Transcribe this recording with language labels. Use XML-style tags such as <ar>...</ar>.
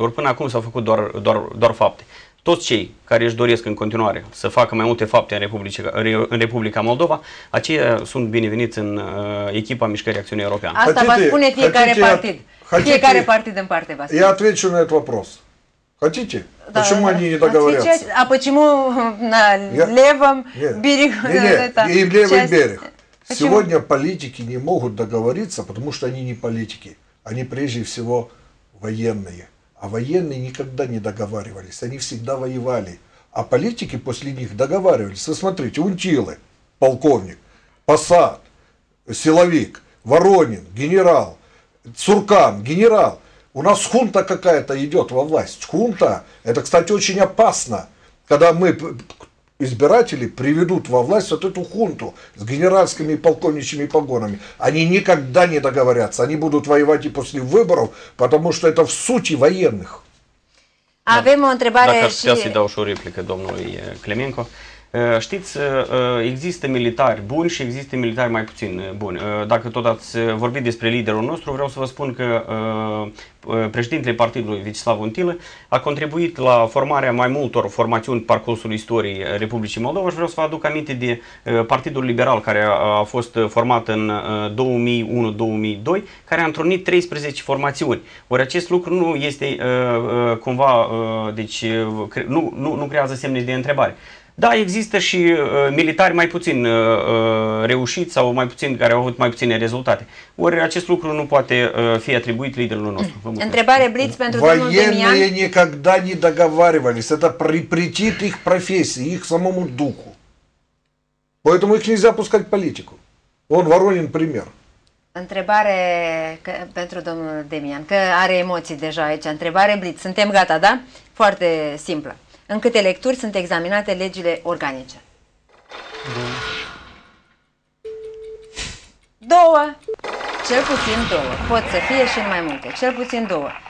<ro>Ori până acum s-au făcut doar fapte. Toți cei care își doresc în continuare să facă mai multe fapte în Republica Moldova, aceia sunt bineveniți în echipa Mișcării Acțiunii Europeană. Asta va spune fiecare partid. Fiecare partid în parte va spune.</ro> <ru>Я отвечу на этот вопрос. Хотите? Да, почему они не договорятся? А почему на левом берегу? Нет, и левый берег. Почему? Сегодня политики не могут договориться, потому что они не политики. Они прежде всего военные. А военные никогда не договаривались. Они всегда воевали. А политики после них договаривались. Вы смотрите, Унтилы, полковник, Посад, силовик, Воронин, генерал, Цуркан, генерал. У нас хунта какая-то идет во власть. Хунта, это, кстати, очень опасно, когда мы избиратели приведут во власть вот эту хунту с генеральскими и полковничьими погонами. Они никогда не договорятся. Они будут воевать и после выборов, потому что это в сути военных.</ru> <ro>Avem o întrebare. Dacă aș putea să-i dau și o replică domnului Clemenco. Știți, există militari buni și există militari mai puțin buni. Dacă tot ați vorbit despre liderul nostru, vreau să vă spun că președintele partidului, Vyacheslav Vuntile, a contribuit la formarea mai multor formațiuni parcursul istoriei Republicii Moldova și vreau să vă aduc aminte de Partidul Liberal, care a fost format în 2001-2002, care a întrunit 13 formațiuni. Ori acest lucru nu este cumva, deci nu creează semne de întrebare. Da, există și militari mai puțin reușiți sau mai puțin care au avut mai puține rezultate. Ori acest lucru nu poate fi atribuit liderului nostru. Întrebare blitz pentru domnul Demian.</ro> <ru>Военные никогда не договаривались. Это препричит их профессии, их самому духу. Поэтому их нельзя пускать в политику. Он Воронин пример.</ru> <ro>Întrebare pentru domnul Демian, că are emoții deja aici. Întrebare blitz. Suntem gata, da? Foarte simplă. În câte lecturi sunt examinate legile organice? Două. Cel puțin două. Pot să fie și mai multe. Cel puțin două.</ro>